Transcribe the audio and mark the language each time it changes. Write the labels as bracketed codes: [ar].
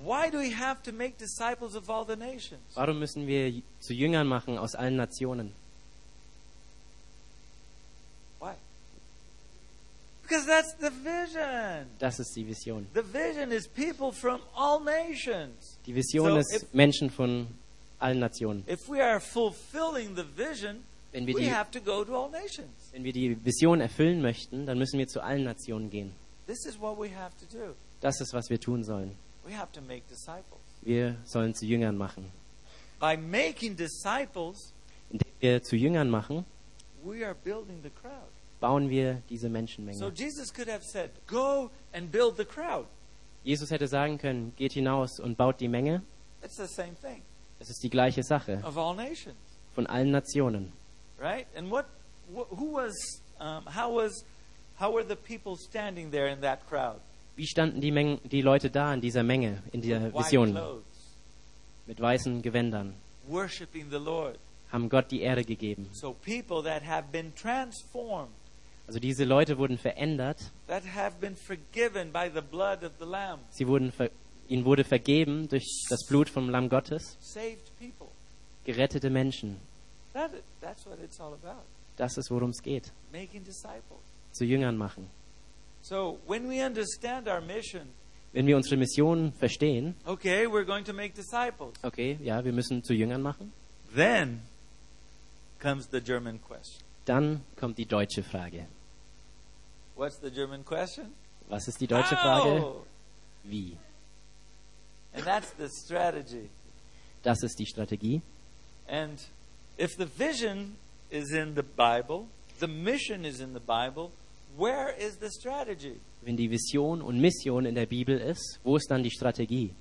[en] Why do we have to make disciples of all the nations? [de] Warum müssen wir zu Jüngern machen aus allen Nationen? [en] Why? Because that's the vision. [de] Das ist die Vision. [en] The vision is people from all nations. [de] Die Vision ist Menschen von allen Nationen. [en] If we are fulfilling the vision, we have to go to all nations. [de] Wenn wir die Vision erfüllen möchten, dann müssen wir zu allen Nationen gehen. [en] This is what we have to do. [de] Das ist, was wir tun sollen. [en] We have to make disciples. [de] Wir sollen zu Jüngern machen. [en] By making disciples, [de] indem wir zu Jüngern machen, [en] we are building the crowd. [de] Bauen wir diese Menschenmenge. [en] So Jesus could have said, go and build the crowd. [de] Jesus hätte sagen können, geht hinaus und baut die Menge. [en] It's the same thing. [de] Es ist die gleiche Sache. [en] Of all nations. [de] Von allen Nationen. [en] Right? And what who was how were the people standing there in that crowd? [de] Wie standen die, die Leute da in dieser Menge, in dieser Vision? Mit weißen Gewändern. [en] Worshiping the Lord. [de] Haben Gott die Ehre gegeben. [en] So people that have been transformed. [de] Also diese Leute wurden verändert. [en] That have been forgiven by the blood of the Lamb. [de] Sie wurden ihnen wurde vergeben durch das Blut vom Lamm Gottes. [en] Saved people. [de] Gerettete Menschen. [en] That's what it's all about. [de] Das ist, worum es geht. [en] Making disciples. [de] Zu Jüngern machen. [en] So when we understand our mission, [de] wenn wir unsere Mission verstehen, [en] okay, we're going to make disciples. [de] Okay, ja, wir müssen zu Jüngern machen. [en] Then comes the German question. [de] Dann kommt die deutsche Frage. [en] What's the German question? [de] Was ist die deutsche Frage? Wie? [en] And that's the strategy. [de] Das ist die Strategie. [en] And if the vision is in the Bible, the mission is in the Bible, where is the strategy? [de] Wenn die Vision und Mission in der Bibel ist, wo ist dann die Strategie?